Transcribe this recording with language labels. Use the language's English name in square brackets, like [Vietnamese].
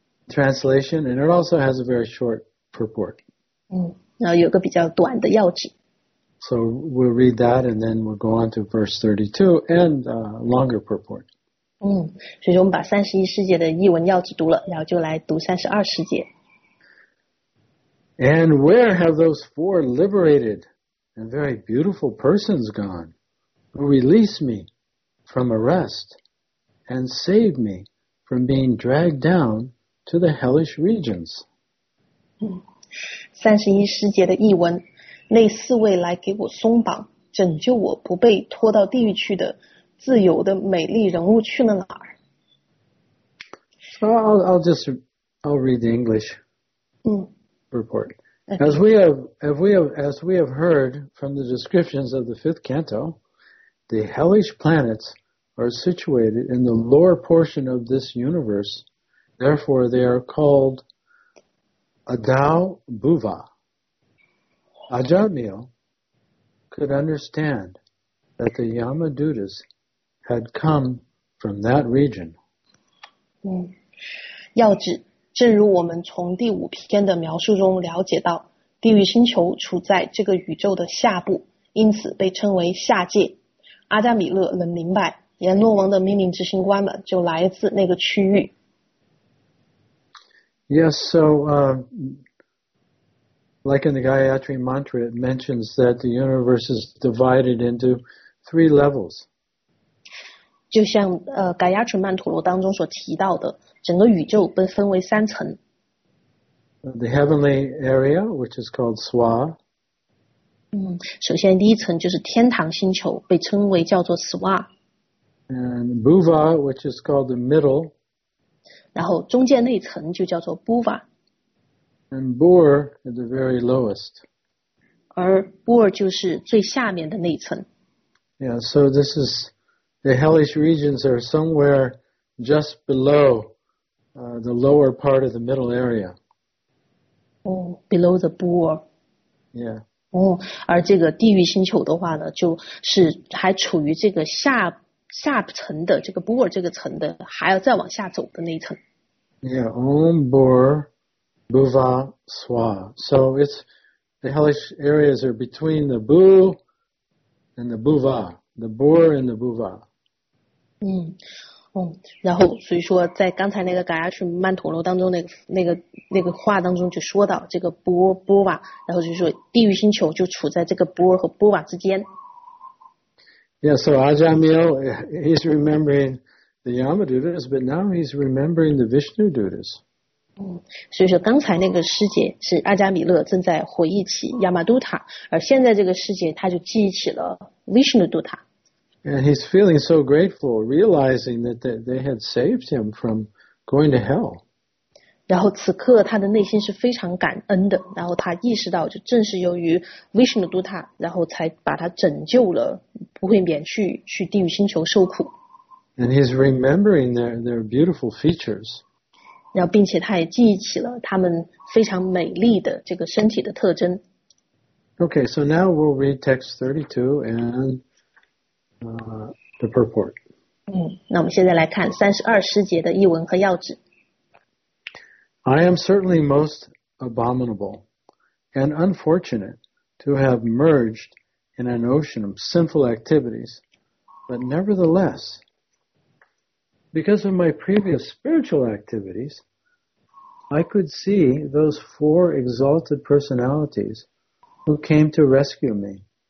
[English] Translation, and it also has a very short purport. [Chinese] 然后有个比较短的要旨。 [English] So we'll read that, and then we'll go on to verse 32 and a longer purport. [Chinese] 所以说我们把31世界的译文要旨读了，然后就来读32世界。 [English] And where have those four liberated and very beautiful persons gone who release me from arrest and save me from being dragged down to the hellish regions? [Chinese] 31世界的译文，那四位来给我松绑，拯救我不被拖到地狱去的自由的美丽人物去了哪儿 [English] ？So I'll read the English report. As we have heard from the descriptions of the fifth canto, the hellish planets are situated in the lower portion of this universe. Therefore, they are called Adau Bhuva. Ajamil could understand that the Yamadutas. Had come from that region. [Chinese] 要旨，正如我们从第五篇的描述中了解到，地狱星球处在这个宇宙的下部，因此被称为下界。阿加米勒能明白，阎罗王的命令执行官们就来自那个区域。 [English] Yes, so, like in the Gayatri Mantra, it mentions that the universe is divided into three levels. [Chinese] 就像盖亚纯曼陀罗当中所提到的，整个宇宙被分为三层。 [English] The heavenly area, which is called Swa. [Chinese] 首先第一层就是天堂星球，被称为叫做 Swa. [English] And Bhuva, which is called the middle. [Chinese] 然后中间那层就叫做 Bhuva. [English] And Boor is the very lowest. [Chinese] 而 Ur 就是最下面的那一层。 [English] Yeah, so this is the hellish regions are somewhere just below, the lower part of the middle area. Oh, below the Ur. Yeah. [Chinese] 哦，而这个地狱星球的话呢，就是还处于这个下层的这个 Ur 这个层的，还要再往下走的那一层。 [English] Yeah, Om Bur, Buva, Swa. So it's the hellish areas are between the Bu and the Buva, the Bur and the Buva. [Chinese] 嗯，哦，然后所以说在刚才那个嘎亚什曼陀罗当中那个话当中就说到这个 Bur, Buva, 然后就说地狱星球就处在这个 Bur 和 Buva 之间。 [English] Yeah, so Ajamil, he's remembering. The Yama Dutas, but now he's remembering the Vishnu Dutas. [Chinese] 所以说刚才那个师姐是阿加米勒正在回忆起 Yama Duta, 而现在这个师姐他就记忆起了 Vishnu Duta. [English] And he's feeling so grateful, realizing that they had saved him from going to hell. [Chinese] 然后此刻他的内心是非常感恩的，然后他意识到就正是由于 Vishnu Duta, 然后才把他拯救了，不会免去地狱星球受苦。 [English] And he's remembering their beautiful features. [Chinese] 然后并且他也记忆起了他们非常美丽的这个身体的特征。 [English] Okay, so now we'll read text 32 and the purport. [Chinese] 那我们现在来看32师节的译文和要旨。 [English] I am certainly most abominable and unfortunate to have merged in an ocean of sinful activities, but nevertheless,Because of my previous spiritual activities, I could see those four exalted personalities who came to rescue me.